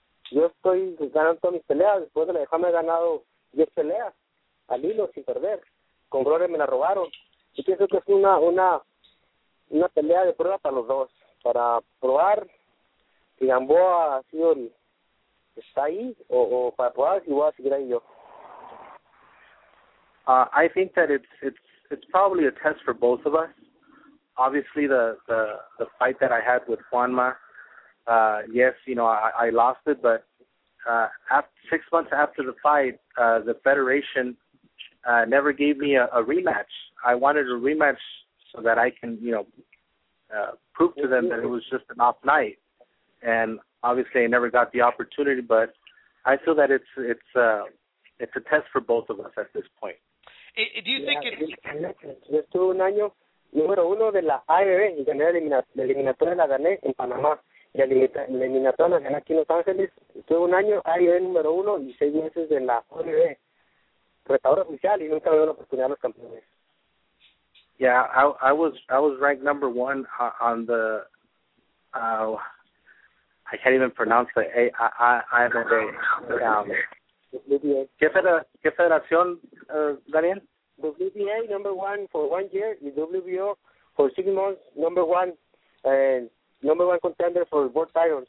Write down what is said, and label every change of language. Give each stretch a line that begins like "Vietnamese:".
Spanish: Yo estoy ganando todas mis peleas. Después de la de Juanma he ganado 10 peleas al hilo sin perder. Con Gloria me la robaron. Yo pienso que es una pelea de prueba para los dos, para probar si Gamboa ha sido está ahí, o para probar si voy a seguir ahí yo.
English: I think that it's probably a test for both of us. Obviously, the fight that I had with Juanma, yes, you know, I lost it, but after 6 months after the fight, the Federation never gave me a rematch. I wanted a rematch so that I can, you know, prove to them that it was just an off night. And obviously, I never got the opportunity, but I feel that it's a test for both of us at this point. Do you think it's...
Spanish: Estuve un año número uno de la AMB y gané la eliminatoria, la gané en Panamá. Y la eliminatoria la gané aquí en Los Ángeles. Estuve un año AMB número uno y 6 meses de la AMB. Retador oficial y nunca me dio la oportunidad a los campeones.
English: Yeah, I was ranked number one on the... I can't even pronounce the AMB. WBA.
Spanish: ¿Qué federación, Daniel?
English: WBA, number one for 1 year, y WBO for 6 months, number one, and number one contender for world title.